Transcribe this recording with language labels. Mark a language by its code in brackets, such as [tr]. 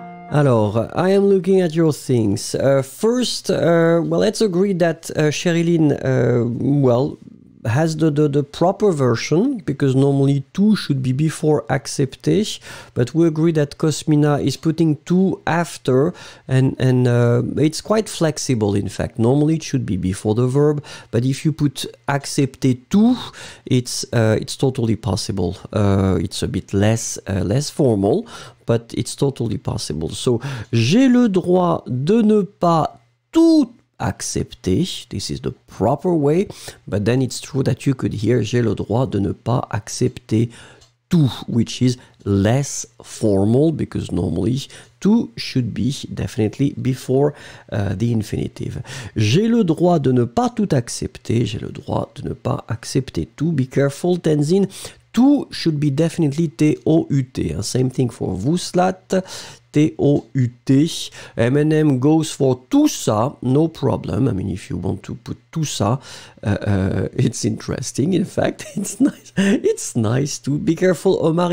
[en] Alors, I am looking at your things. Let's agree that Sherilyn, has the proper version, because normally to should be before accepté, but we agree that Cosmina is putting to after, and it's quite flexible, in fact. Normally it should be before the verb, but if you put accepté to, it's totally possible. It's a bit less formal, but it's totally possible. [fr] So, j'ai le droit de ne pas tout accepter. [en] This is the proper way, but then it's true that you could hear [fr] j'ai le droit de ne pas accepter tout, [en] which is less formal, because normally tout should be definitely before the infinitive. [fr] J'ai le droit de ne pas tout accepter. J'ai le droit de ne pas accepter tout. [en] Be careful, Tenzin. Tout should be definitely T-O-U-T. Same thing for Vouslat, T-O-U-T. M&M goes for tout ça, no problem. I mean, if you want to put tout ça, it's interesting. In fact, it's nice. It's nice to be careful, Omar.